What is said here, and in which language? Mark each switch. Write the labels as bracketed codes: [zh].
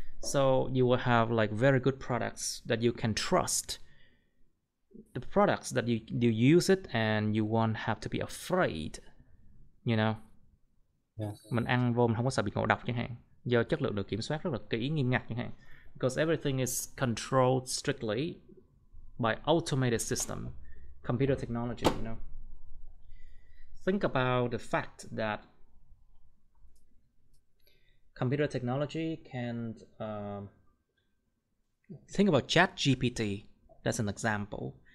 [en] So you will have like very good products that you can trust. The products that you use it and you won't have to be afraid, you know. Yes. [vi] Mình ăn vô mình không có sợ bị ngộ độc chẳng hạn. Do chất lượng được kiểm soát rất là kỹ, nghiêm ngặt chẳng hạn. [en] Because everything is controlled strictly by automated system, computer technology, you know. Think about the fact that computer technology can think about ChatGPT. That's an example.